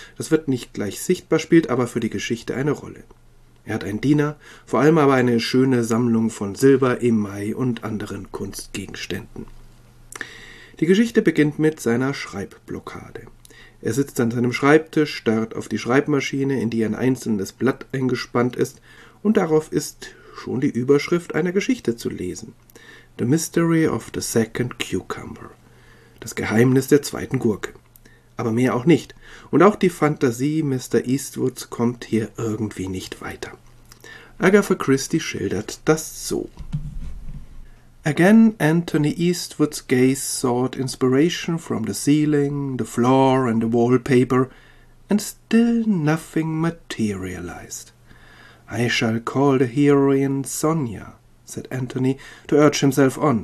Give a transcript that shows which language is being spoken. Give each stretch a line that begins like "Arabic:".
German: Das wird nicht gleich sichtbar, spielt aber für die Geschichte eine Rolle. Er hat einen Diener, vor allem aber eine schöne Sammlung von Silber, Emaille und anderen Kunstgegenständen. Die Geschichte beginnt mit seiner Schreibblockade. Er sitzt an seinem Schreibtisch, starrt auf die Schreibmaschine, in die ein einzelnes Blatt eingespannt ist, und darauf ist schon die Überschrift einer Geschichte zu lesen.
English: The Mystery of the Second Cucumber.
German: Das Geheimnis der zweiten Gurke. Aber mehr auch nicht. Und auch die Fantasie Mr. Eastwoods kommt hier irgendwie nicht weiter. Agatha Christie schildert das so.
English: Again Anthony Eastwood's gaze sought inspiration from the ceiling, the floor and the wallpaper, and still nothing materialized. I shall call the heroine Sonia, said Anthony, to urge himself on.